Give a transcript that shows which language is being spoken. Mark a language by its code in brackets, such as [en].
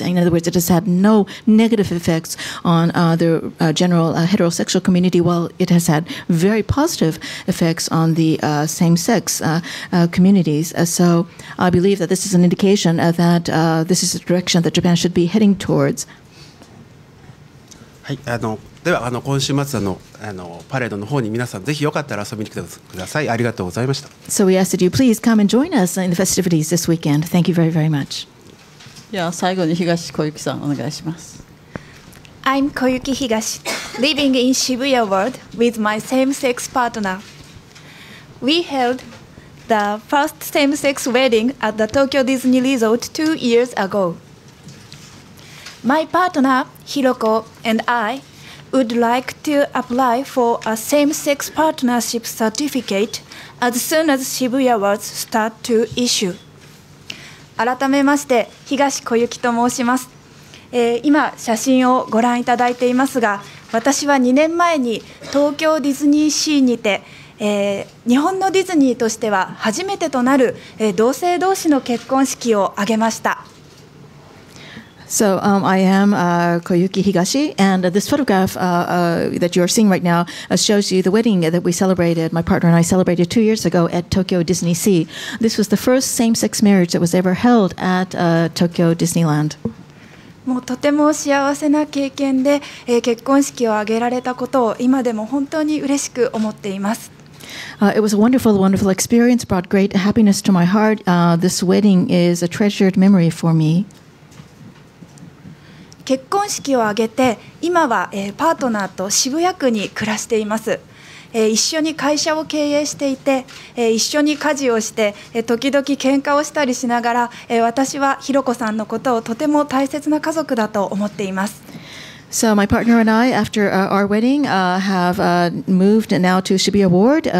[en] In other words, it has had no negative effects on the general heterosexual community, while it has had very positive effects on the same-sex communities. So I believe that this is an indication that this is the direction that Japan should be heading towards. [ja] はい、では今週末パレードの方に皆さんぜひよかったら遊びに来てください。ありがとうございました。 [en] So we ask that you please come and join us in the festivities this weekend. Thank you very, very much. [ja] Yeah, 最後に東小雪さんお願いします。 [en] I'm 小雪東 living in Shibuya World with my same-sex partner. We held the first same-sex wedding at the Tokyo Disney Resort 2 years ago. My partner, Hiroko, and I would like to apply for a same-sex partnership certificate as soon as Shibuya Worlds start to issue. [ja] 改めまして、東小雪と申します。今、写真をご覧いただいていますが、私は2年前に東京ディズニーシーにて、日本のディズニーとしては初めてとなる、同性同士の結婚式を挙げました。 [en] So, I am Koyuki Higashi, and this photograph that you are seeing right now shows you the wedding that we celebrated, my partner and I celebrated 2 years ago at Tokyo DisneySea. This was the first same-sex marriage that was ever held at Tokyo Disneyland. [ja] もうとても幸せな経験で、結婚式を挙げられたことを今でも本当に嬉しく思っています。 [en] It was a wonderful, wonderful experience, brought great happiness to my heart. This wedding is a treasured memory for me. [ja] 結婚式を挙げて、今は、パートナーと渋谷区に暮らしています。一緒に会社を経営していて、一緒に家事をして、時々喧嘩をしたりしながら、私はひろこさんのことをとても大切な家族だと思っています。 [en] So my partner and I, after our wedding, have moved now to Shibuya Ward.